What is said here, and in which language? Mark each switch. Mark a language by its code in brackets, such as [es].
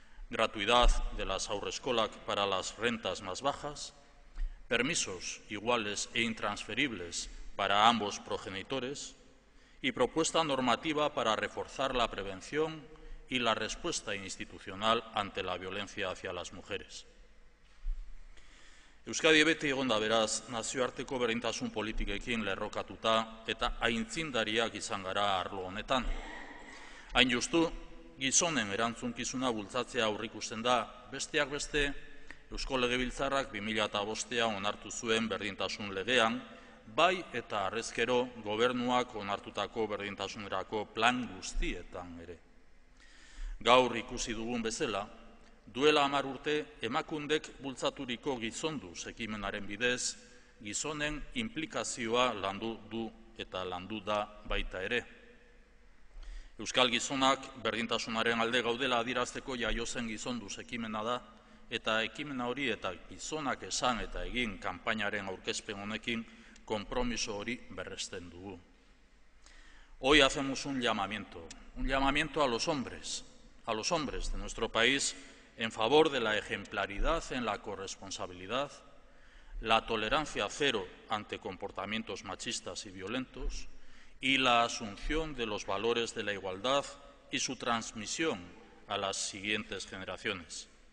[es] Gratuidad de las haurreskolak para las rentas más bajas, permisos iguales e intransferibles para ambos progenitores y propuesta normativa para reforzar la prevención y la respuesta institucional ante la violencia hacia las mujeres. [eu] Euskadi beti egonda beraz nazioarteko berdintasun politikekin lerrokatuta eta aintzindariak izan gara arlo honetan. Hain justu, gizonen erantzunkizuna bultzatzea aurrikusten da, besteak beste, Eusko Legebiltzarrak 2005 onartu zuen berdintasun legean, bai eta harrezkero gobernuak onartutako berdintasunerako plan guztietan ere. Gaur ikusi dugun bezala, duela 10 urte, Emakundek bultzaturiko Gizonduz ekimenaren bidez, gizonen implikazioa landu du eta landu da baita ere. Euskal gizonak berdintasunaren alde gaudela adierazteko jaiozen Gizonduz ekimena da, eta ekimena hori eta gizonak esan eta egin kanpainaren aurkezpen honekin konpromiso hori berresten dugu. [es] Hoy hacemos un llamamiento a los hombres de nuestro país, en favor de la ejemplaridad en la corresponsabilidad, la tolerancia cero ante comportamientos machistas y violentos y la asunción de los valores de la igualdad y su transmisión a las siguientes generaciones.